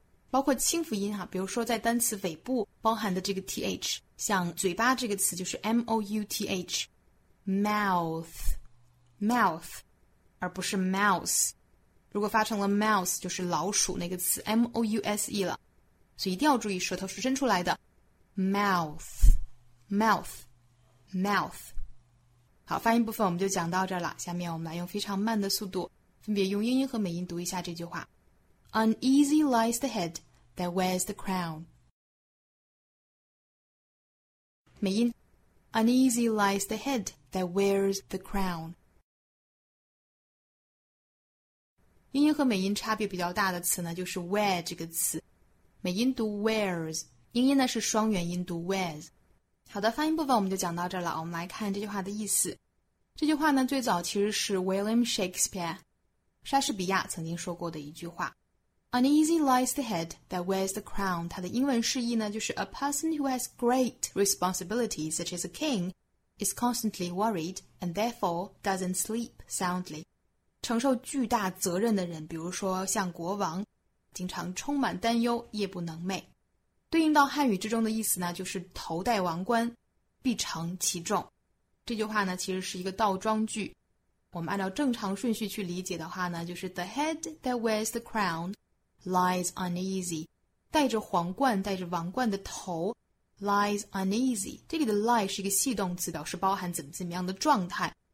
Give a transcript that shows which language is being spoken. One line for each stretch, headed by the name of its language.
Chinese: 包括清辅音哈，比如说在单词尾部包含的这个 th， 像嘴巴这个词就是 mouth mouth mouth， 而不是 mouse， 如果发成了 mouse 就是老鼠那个词 mouse 了，所以一定要注意舌头是伸出来的 mouth mouth mouth。好，发音部分我们就讲到这儿了，下面我们来用非常慢的速度分别用英音和美音读一下这句话。
English: Uneasy lies the head that wears the crown。美音 Uneasy lies the head that wears the crown。
Chinese: 英音和美音差别比较大的词呢就是 wear 这个词，美音读 wears， 英音呢是双元音读 wears。好的，发音部分我们就讲到这儿了，我们来看这句话的意思。这句话呢最早其实是 William Shakespeare 莎士比亚曾经说过的一句话。
English: Uneasy lies the head that wears the crown，
Chinese: 它的英文释义呢就是
English: A person who has great responsibilities such as a king is constantly worried and therefore doesn't sleep soundly。
Chinese: 承受巨大责任的人，比如说像国王，经常充满担忧，夜不能寐。对应到汉语之中的意思呢就是头戴王冠必承其重。这句话呢其实是一个倒装句，我们按照正常顺序去理解的话呢就是
English: The head that wears the crown lies uneasy，
Chinese: 戴着皇冠戴着王冠的头
English: lies uneasy，
Chinese: 这里的 lie 是一个系动词，表示包含怎么怎么样的状态。